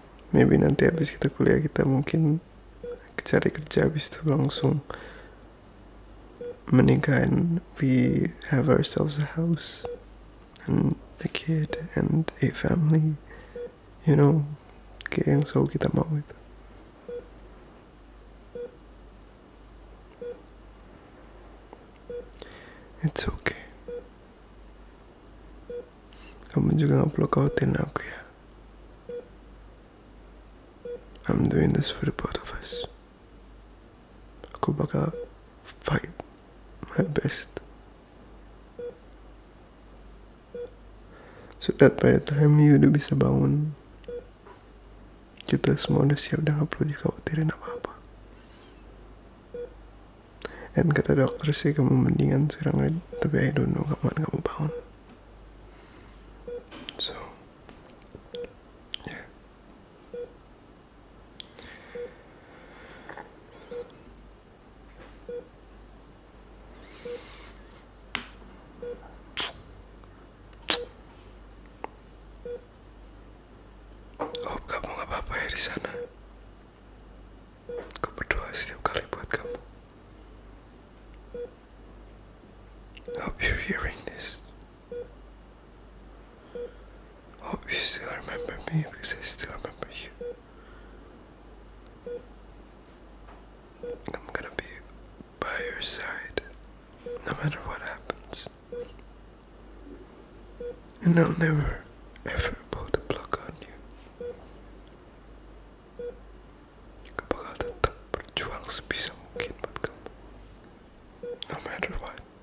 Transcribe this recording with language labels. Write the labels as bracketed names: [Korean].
[English] Maybe [Indonesian] nanti habis kita kuliah, kita mungkin cari kerja, habis itu langsung menikah, [English] and we have ourselves a house and a kid and a family, you know, [Indonesian] kayak yang selalu kita mau itu. [English] It's okay. [Indonesian] Kamu juga gak perlu khawatirin aku ya. [English] I'm doing this for the both of us. [Indonesian] Aku bakal [English] fight my best so that by the time you [Indonesian] udah bisa bangun, kita semua udah siap dan gak perlu dikhawatirin apa-apa. [English] And [Indonesian] kata dokter sih kamu mendingan sekarang, tapi [English] I don't know [Indonesian] kapan kamu bangun. [English] So, yeah. Hope [Indonesian] kamu gak apa-apa ya di sana. Aku berdoa setiap kali buat kamu. [English] Hope you're hearing this. You still remember me because I still remember you. I'm gonna be by your side no matter what happens. And I'll never ever pull the plug on you. [Indonesian] Aku bakal tetap berjuang sebisa mungkin buat kamu [English] no matter what.